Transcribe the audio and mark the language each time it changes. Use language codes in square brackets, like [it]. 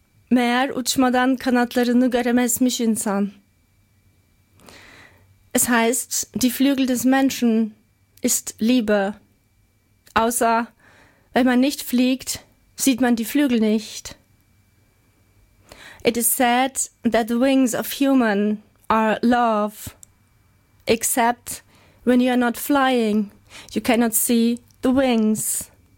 [tr] Meğer uçmadan kanatlarını göremezmiş insan. [de] Es heißt, die Flügel des Menschen ist Liebe. Außer, wenn man nicht fliegt, sieht man die Flügel nicht. [en] It is said that the wings of human are love. Except, when you are not flying, you cannot see the wings.